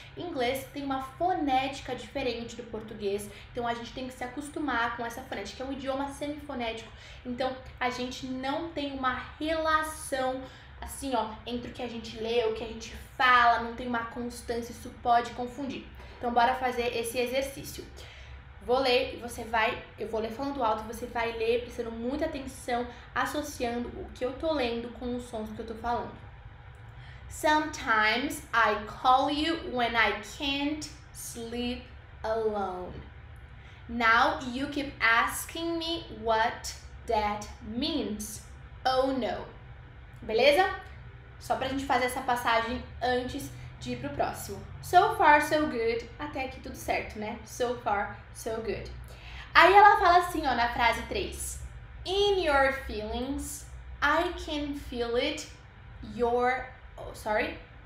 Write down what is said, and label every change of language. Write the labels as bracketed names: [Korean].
[Portuguese] Inglês tem uma fonética diferente do português, então a gente tem que se acostumar com essa fonética. É um idioma semifonético, então a gente não tem uma relação assim, ó, entre o que a gente lê, o que a gente fala, não tem uma constância, isso pode confundir. Então, bora fazer esse exercício. Vou ler e você vai. Eu vou ler falando alto, você vai ler prestando muita atenção, associando o que eu tô lendo com os sons que eu tô falando. [English] Sometimes I call you when I can't sleep alone. Now you keep asking me what that means. Oh no. [Portuguese] Beleza? Só pra gente fazer essa passagem antes de ir pro próximo. [English] So far, so good. [Portuguese] Até aqui tudo certo, né? [English] So far, so good. [Portuguese] Aí ela fala assim, ó, na frase 3. [English] In your feelings, I can feel it. Oh, sorry.